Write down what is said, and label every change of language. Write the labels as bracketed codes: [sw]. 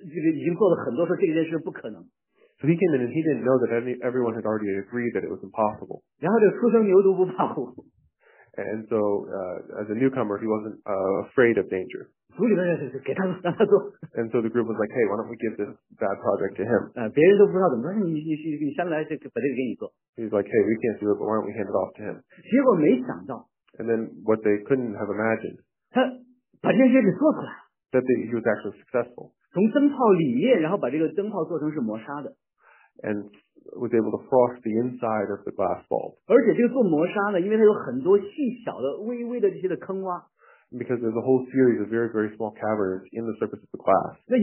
[zh] 这个新人呢，他不知道大家这个已经做了很多说这件事不可能。 [en] So he came in and he didn't know that everyone had already agreed that it was impossible. [zh] 然后这初生牛犊不怕虎。 [en] And so, as a newcomer, he wasn't afraid of danger. [zh] 组里面人就给他让他做。 [en] And so the group was like, hey, why don't we give this bad project to him? [zh] 别人都不知道怎么说，你上来就把这个给你做。 [en] He's like, hey, we can't do it, but why don't we hand it off to him? [zh] 结果没想到。 [en] And then what they couldn't have imagined. [zh] 他把这件事给做出来了。 [en] That he was actually successful. [zh] 从灯泡里面，然后把这个灯泡做成是磨砂的。 [en] And was able to frost the inside of the glass bulb. [zh] 而且这个做磨砂呢，因为它有很多细小的、微微的这些的坑洼。 [en] Because there's a whole series of very, very small caverns in the surface of the glass.